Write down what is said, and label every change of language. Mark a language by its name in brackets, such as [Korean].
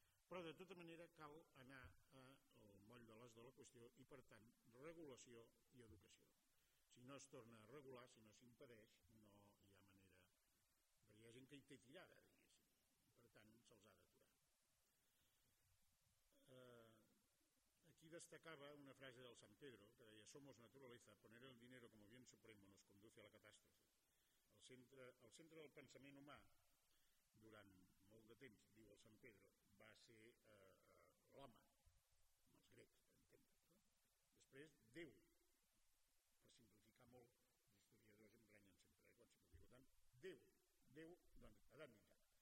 [Catalan] Però de tota manera cal anar al moll de l'os de la qüestió i per tant regulació i educació. Si no es torna a regular, si no s'impedeix, no hi ha manera... Perquè hi ha gent que hi té tirada, diguéssim. Per tant, se'ls ha d'aturar. Aquí destacava una frase del Sant Pedro que deia [Spanish] «Somos naturaleza, poner el dinero como bien supremo nos conduce a la catástrofe». [Catalan] El centre del pensament humà, durant molt de temps, diu el Sant Pedro, va ser l'home, amb els grecs, per entendre. No? Després, Déu, per simplificar molt, els historiadors emprenyen sempre, quan simplifico tant, Déu, doncs, adàmica.